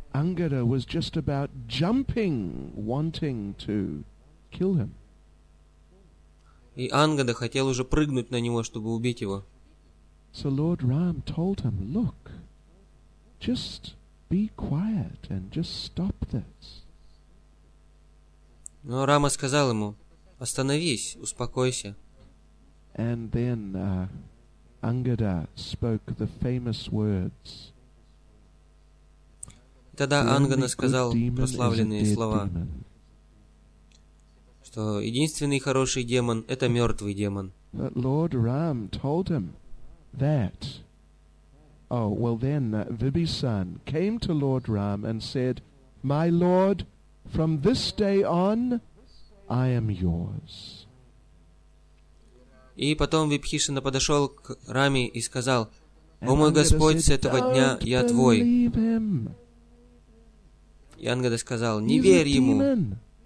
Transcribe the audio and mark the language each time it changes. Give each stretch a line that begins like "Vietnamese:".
English: Angada was just about jumping, wanting to kill him.
Russian: И Ангада хотел уже прыгнуть на него, чтобы убить его.
English: So Lord Ram told him, "Look, just be quiet and just stop this."
Russian: Но Рама сказал ему: "Остановись, успокойся."
English: And then Ангада spoke the famous words.
Russian: Тогда Ангада сказал прославленные слова, что единственный хороший демон — это мертвый демон.
English: But Lord Ram told him that. Oh, well then, Vibhishan came to Lord Ram and said, "My lord, from this day on, I am yours."
Russian: И потом Vibhishan подошел к Раме и сказал: "О мой Господь, с этого дня я твой." И Ангада сказал: "Не верь ему.